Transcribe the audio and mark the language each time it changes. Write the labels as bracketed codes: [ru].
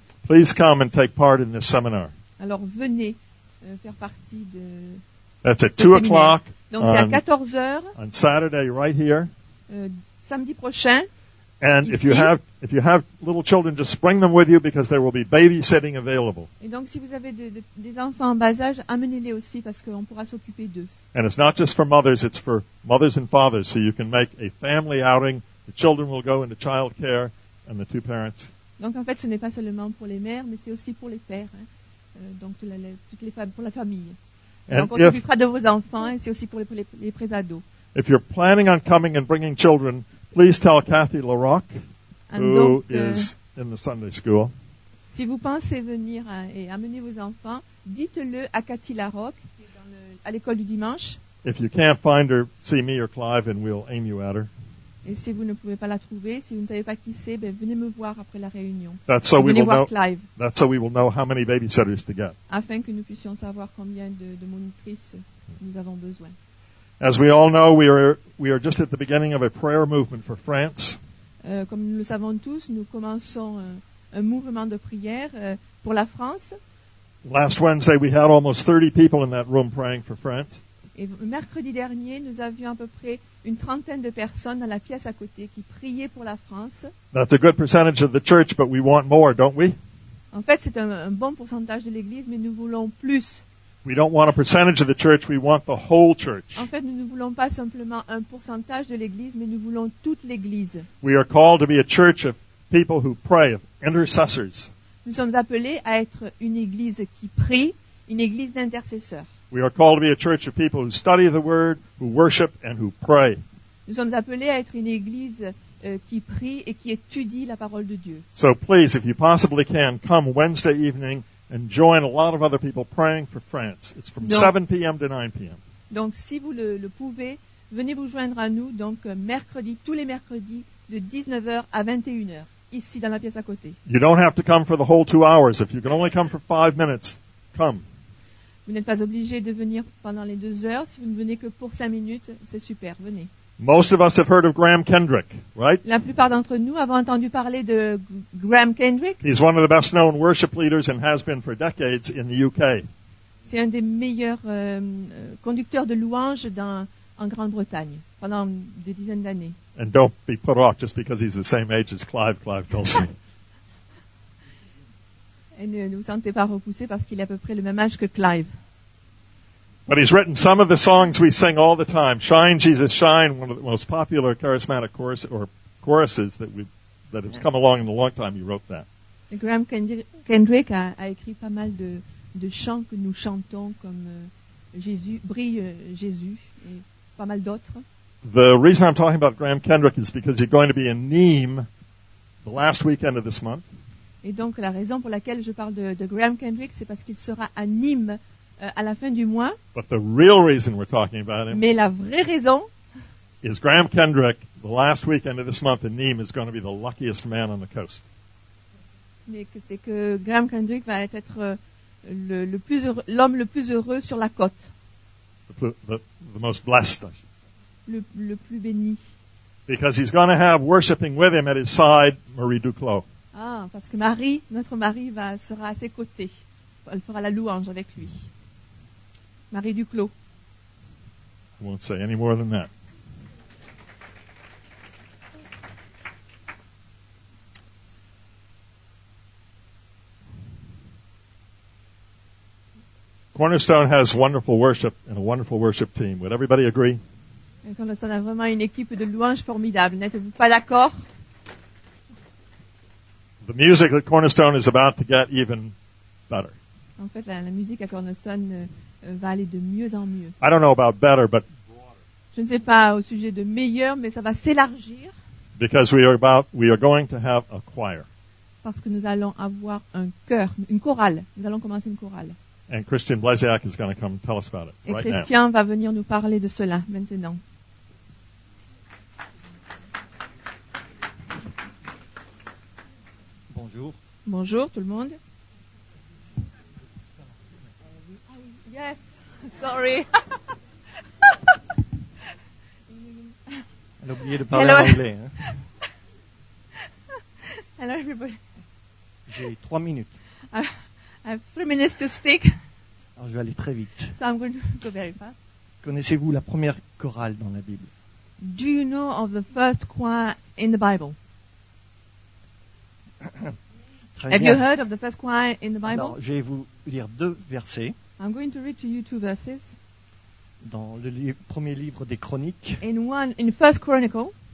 [en] please come and take part in this seminar. [fr] Alors venez faire partie de [en] That's at 2 o'clock [fr] donc, c'est à 14h [en] on Saturday right here. [fr] Samedi prochain. [en] And [fr] ici. [en] if you have little children, just bring them with you because there will be babysitting available. [fr] Et donc si vous avez des enfants en bas âge, amenez-les aussi parce qu'on pourra s'occuper d'eux. [en] And it's not just for mothers, it's for mothers and fathers, so you can make a family outing. The children will go into child care and the two parents. [fr] Donc en fait, ce n'est pas seulement pour les mères, mais c'est aussi pour les pères, hein. Donc toutes les femmes pour la famille. [en] And [fr] donc on s'occupera de vos enfants et c'est aussi pour les présados. [en] If you're planning on coming and bringing children, please tell Kathy LaRocque, who is in the Sunday school. [fr] Si vous pensez venir et amener vos enfants, dites-le à Kathy LaRocque, qui est à l'école du dimanche. [en] If you can't find her, see me or Clive and we'll aim you at her. [fr] Et si vous ne pouvez pas la trouver, si vous ne savez pas qui c'est, ben venez me voir après la réunion. [en] That's so [fr] venez [en] we will [fr] voir [en] know, Clive. That's so we will know how many babysitters to get. [fr] Afin que nous puissions savoir combien de monitrices nous avons besoin. [en] As we all know, we are just at the beginning of a prayer movement for France. [fr] Comme nous le savons tous, nous commençons un mouvement de prière pour la France. [en] Last Wednesday, we had almost 30 people in that room praying for France. [fr] Et mercredi dernier, nous avions à peu près une trentaine de personnes dans la pièce à côté qui priaient pour la France. [en] That's a good percentage of the church, but we want more, don't we? [fr] En fait, c'est un bon pourcentage de l'église, mais nous voulons plus. [en] We don't want a percentage of the church, we want the whole church. [fr] En fait, nous ne voulons pas simplement un pourcentage de l'église, mais nous voulons toute l'église. [en] We are called to be a church of people who pray, of intercessors. [fr] Nous sommes appelés à être une église qui prie, une église d'intercesseurs. [en] We are called to be a church of people who study the word, who worship and who pray. [fr] Nous sommes appelés à être une église qui prie et qui étudie la parole de Dieu. [en] So please, if you possibly can, come Wednesday evening and join a lot of other people praying for France. It's from 7 p.m. to 9 p.m. [fr] Donc si vous le pouvez, venez vous joindre à nous donc mercredi, tous les mercredis de 19h à 21h ici dans la pièce à côté. [en] You don't have to come for the whole 2 hours. If you can only come for 5 minutes, come. [fr] Vous n'êtes pas obligé de venir pendant les 2 heures. Si vous ne venez que pour 5 minutes, c'est super. Venez. [en] Most of us have heard of Graham Kendrick, right? [fr] La plupart d'entre nous avons entendu parler de Graham Kendrick. [en] He's one of the best known worship leaders and has been for decades in the UK. [fr] C'est un des meilleurs conducteurs de louanges en Grande-Bretagne pendant des dizaines d'années. [en] And don't be put off just because he's the same age as Clive. Clive tells me. [fr] Et ne vous sentez pas repoussé parce qu'il est à peu près le même âge que Clive. [en] But he's written some of the songs we sing all the time. Shine, Jesus, shine, one of the most popular charismatic choruses that have come along in a long time. He wrote that. [fr] Graham Kendrick a écrit pas mal de chants que nous chantons comme Jésus, brille Jésus, et pas mal d'autres. [en] The reason I'm talking about Graham Kendrick is because he's going to be in Nîmes the last weekend of this month. [fr] Et donc la raison pour laquelle je parle de Graham Kendrick, c'est parce qu'il sera à Nîmes à la fin du mois. [en] But the real reason we're talking about him. [fr] Mais la vraie raison. [en] Is Graham Kendrick the last weekend of this month in Nîmes is going to be the luckiest man on the coast. [fr] Mais c'est que Graham Kendrick va être le plus heureux, l'homme le plus heureux sur la côte. [en] The most blessed, I should say. [fr] Le plus béni. [en] Because he's going to have worshiping with him at his side, Marie Duclos. [fr] Ah, parce que Marie, notre mari va sera à ses côtés. Elle fera la louange avec lui. Marie Duclos. [en] I won't say any more than that. Cornerstone has wonderful worship and a wonderful worship team. Would everybody agree? [fr] Cornerstone a vraiment une équipe de louanges formidable. N'êtes-vous pas d'accord? [en] The music at Cornerstone is about to get even better. [fr] En fait, la musique à Cornerstone va aller de mieux en mieux. [en] I don't know about better, but [fr] je ne sais pas au sujet de meilleur, mais ça va s'élargir. [en] Because we are going to have a choir. [fr] Parce que nous allons avoir un chœur, une chorale. Nous allons commencer une chorale. [en] And Christian Blaziak is going to come tell us about it. [fr] Et Christian va venir nous parler de cela maintenant. Bonjour. Bonjour tout le monde. [en] Yes, sorry. [fr] Elle a oublié de parler en anglais. Hein? [en] Hello everybody. [fr] J'ai 3 minutes. [en] I have 3 minutes to speak. [fr] Alors, je vais aller très vite. [en] So I'm going to go very fast. [fr] Connaissez-vous la première chorale dans la Bible? [en] Do you know of the first choir in the Bible? [fr] Très [en] Have [fr] bien. [en] You heard of the first choir in the Bible? [fr] Alors, je vais vous lire deux versets. [en] I'm going to read to you two verses. [fr] Dans le premier livre des Chroniques. [en] In First Chronicle.